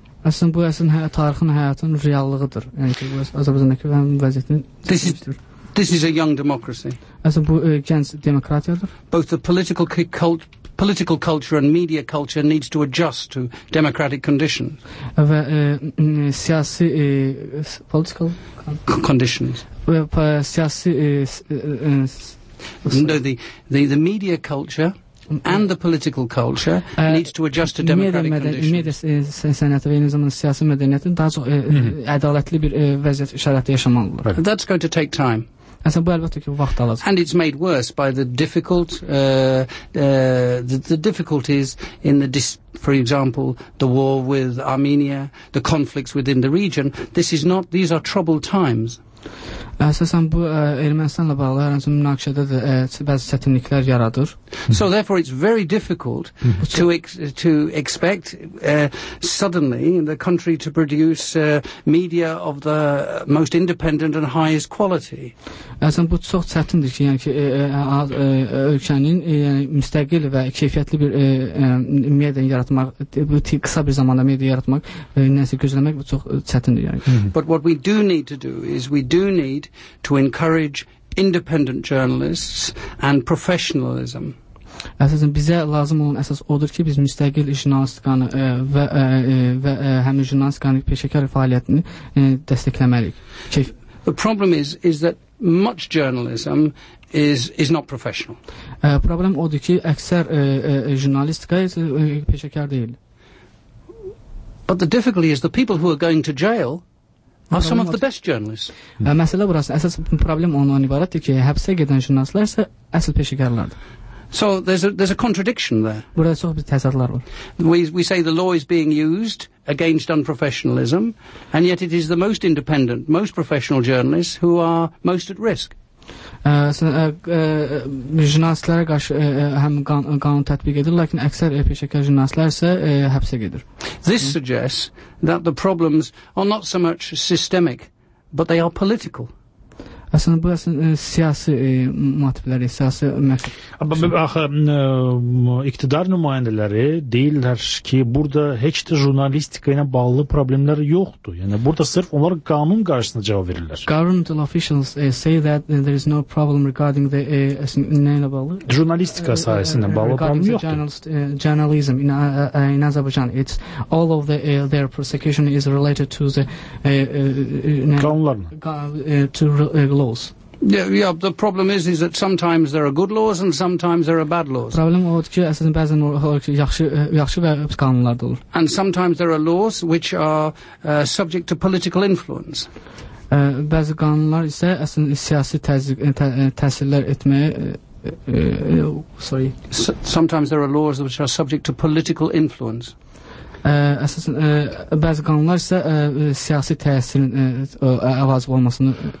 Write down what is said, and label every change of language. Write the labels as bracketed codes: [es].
[az] Aslında bu əsrin tarixin həyatının reallığıdır. Yəni ki, bu Azərbaycandakı vəziyyətin [en] This is a young democracy. [az] Aslında bu gənc demokratiyadır. [en] Both the political culture and media culture needs to adjust to democratic conditions. [az] Ve siyasi [en] political conditions. [az] Ve siyasi [en] the media culture and the political culture needs to adjust to democratic conditions. [az] Media sənəti və eyni zamanda siyasi mədəniyyətin daha çox ədalətli bir vəziyyət şəraiti yaşamalıdır. [en] That's going to take time. And it's made worse by the difficult the difficulties in the for example the war with Armenia, the conflicts within the region. These are troubled times. [az] Əsasən bu Ermənistanla bağlı hər hansı münaqişədə də bəzi çətinliklər yaradır. [en] So therefore it's very difficult to expect suddenly the country to produce media of the most independent and highest quality. [az] Əsasən bu çox çətindir ki, yəni ki ölkənin müstəqil və keyfiyyətli bir media yaratmaq, bu qısa bir zamanda media yaratmaq, nəsə gözləmək bu çox çətindir yəni. [en] But what we do need to do is we do need to encourage independent journalists and professionalism. [az] Əsasən bizə lazım olan əsas odur ki, biz müstəqil jurnalistikanı və həmin jurnalistikanın peşəkar fəaliyyətini dəstəkləməliyik. [en] The problem is that much journalism is not professional. [az] Problem odur ki, əksər jurnalistika peşəkar deyil. [en] But the difficulty is the people who are going to jail are some of the best journalists. [az] Məsələ burası, əsas problem ondan ibarətdir ki, həbsə gedən jurnalistlər isə əsl peşəkarlardır. [en] So there's a contradiction there. [az] Burada çox bir təzadlar var. [en] We say the law is being used against unprofessionalism, and yet it is the most independent, most professional journalists who are most at risk. [az] Jurnalistlərə qarşı həm qanun tətbiq edir, lakin əksər peşəkar jurnalistlər isə həbsə gedir. [en] This suggests that the problems are not so much systemic, but they are political. [az] Əslində, bu əslində siyasi motivləri, siyasi məqsəd. İqtidar nümayəndələri deyirlər ki, burada heç də jurnalistika ilə bağlı problemlər yoxdur. Yəni, burada sırf onlar qanun qarşısında cavab verirlər. [en] Governmental officials say that there is no problem regarding the... [az] nə ilə bağlı? Jurnalistika sahəsində bağlı problem yoxdur. [en] Journalism in Azerbaijan, it's all of the, their prosecution is related to the... [az] Qanunlarla. [en] Laws. Yeah, the problem is that sometimes there are good laws and sometimes there are bad laws. [az] Problem odur ki, əslində bəzən yaxşı və pis qanunlar da olur. [en] And sometimes there are laws which are subject to political influence. [az] Bəzi qanunlar isə əslində siyasi təsirlər etməyə [en] sometimes there are laws which are subject to political influence. [az] Əsasən bəzi qanunlar isə siyasi təsirin əvəzi olmasını